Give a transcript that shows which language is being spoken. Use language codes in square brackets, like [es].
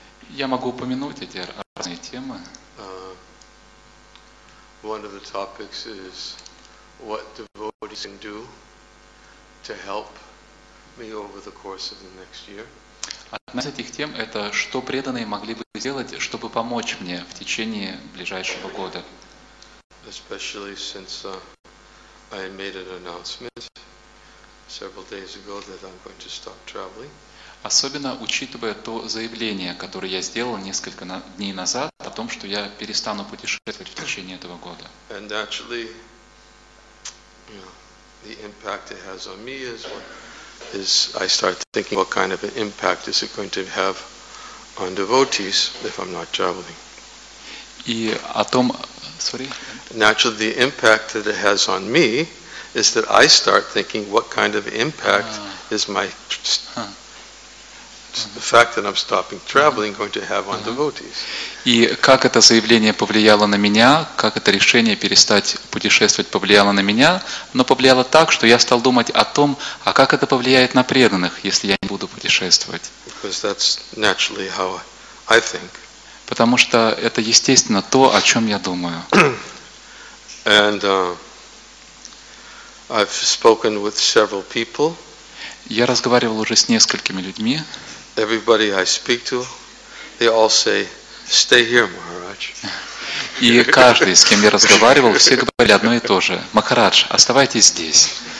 [ru] Я могу упомянуть эти разные темы. [en] One of the topics is what devotees can do to help me over the course of the next year. [ru] Одна из этих тем – это что преданные могли бы сделать, чтобы помочь мне в течение ближайшего года. [en] Especially since I made an announcement several days ago that I'm going to stop traveling. [ru] Особенно учитывая то заявление, которое я сделал несколько дней назад о том, что я перестану путешествовать в течение этого года. [en] And actually, the impact it has on me is what is I start thinking what kind of an impact is it going to have on devotees if I'm not traveling. [ru] И о том, [en] Naturally, the impact that it has on me is that I start thinking what kind of impact is my the fact that I'm stopping traveling going to have on devotees. [ru] И как это заявление повлияло на меня, как это решение перестать путешествовать повлияло на меня, но повлияло так, что я стал думать о том, а как это повлияет на преданных, если я не буду путешествовать. [en] Because that's naturally how I think. [ru] Потому что это естественно то, о чем я думаю. [en] And I've spoken with several people. [ru] Я разговаривал уже с несколькими людьми. [en] Everybody I speak to, they all say, "Stay here, Maharaj." [ru] И каждый, с кем я разговаривал, все говорили одно и то же: "Махарадж, оставайтесь здесь."